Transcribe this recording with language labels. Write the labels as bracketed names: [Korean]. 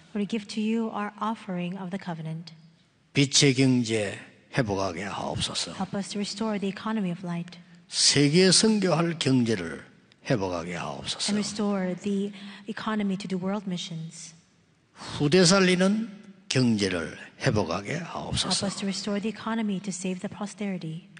[English] We give to you our offering of the covenant. [Korean] 빛의 경제 회복하게 하옵소서. [English] Help us to restore the economy of light. [Korean] 세계 선교할 경제를 회복하게 하옵소서. [English] And restore the economy to do world missions. [Korean] 후대 살리는 경제를 회복하게 하옵소서. [English] Help us to restore the economy to save the posterity.